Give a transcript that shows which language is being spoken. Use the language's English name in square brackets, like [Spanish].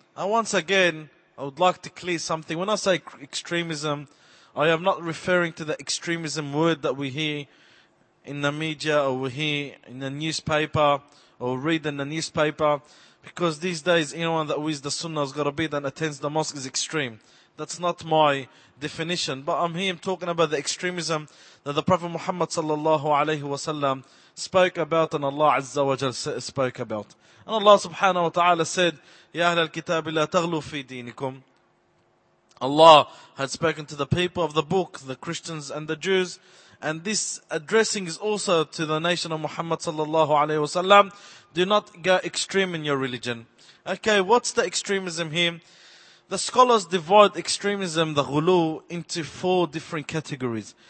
[English] And once again, I would like to clear something. When I say extremism, I am not referring to the extremism word that we hear in the media, or we hear in the newspaper, or read in the newspaper. Because these days, anyone that wears the sunnah has got to be that attends the mosque is extreme. That's not my definition. But I'm here talking about the extremism that the Prophet Muhammad sallallahu alayhi wa sallam spoke about, and Allah Azza wa Jal spoke about. And Allah subhanahu wa ta'ala said, [Arabic] يا أهل الكتاب لا تغلوا في دينكم. [English] Allah had spoken to the people of the book, the Christians and the Jews. And this addressing is also to the nation of Muhammad sallallahu alayhi wa sallam. Do not go extreme in your religion. Okay, what's the extremism here? The scholars divide extremism, the ghulu, into four different categories.